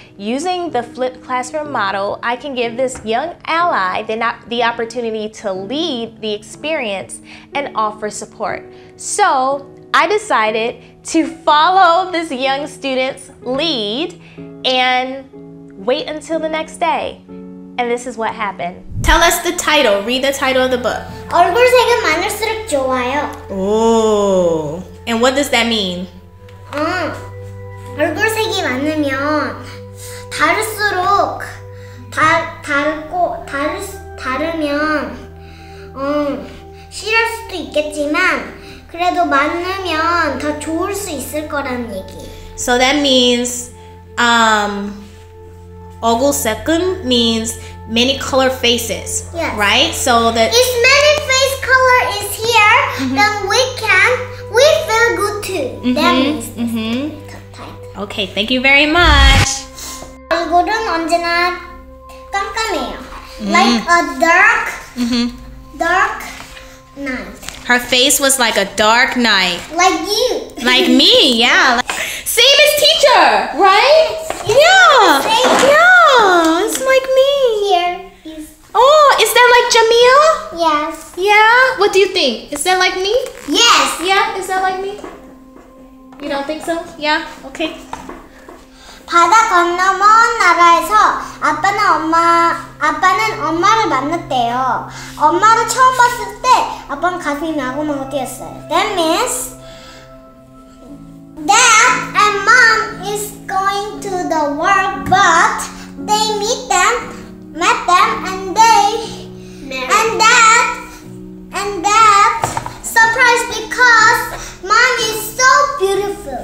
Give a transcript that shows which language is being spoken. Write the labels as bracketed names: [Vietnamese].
[English] Using the flipped classroom model, I can give this young ally the opportunity to lead the experience and offer support. So I decided to follow this young student's lead and wait until the next day. And this is what happened. Tell us the title. Read the title of the book. [Korean] 얼굴 색은 많을수록 좋아요. [English] Oh. And what does that mean? [Korean] 얼굴 색이 많으면 다를수록 다르고 다르면 싫을 수도 있겠지만 그래도 많으면 더 좋을 수 있을 거라는 얘기. [English] So that means 얼굴 색은 means many color faces. Yes. Right? So that if many face color is here, mm-hmm. then we feel good too. Mm-hmm. That means mm-hmm. Okay, thank you very much. [Korean] 얼굴은 언제나 깜깜해요. [English] Like a dark, dark night. Her face was like a dark night. Like you. Like me, yeah. Same as teacher, right? Yes. Yeah. It's like me. Here. Oh, is that like Jamia? Yes. Yeah? What do you think? Is that like me? Yes. Yeah? Is that like me? think so? Yeah, okay. [Korean] 바다 건너먼 나라에서 아빠는 엄마를 만났대요. 엄마를 처음 봤을 때 아빠는 가슴이 마구마구 뛰었어요. [English] That means Dad and Mom is going to the world, but they met them and they married. And Dad surprised because Mom is so beautiful.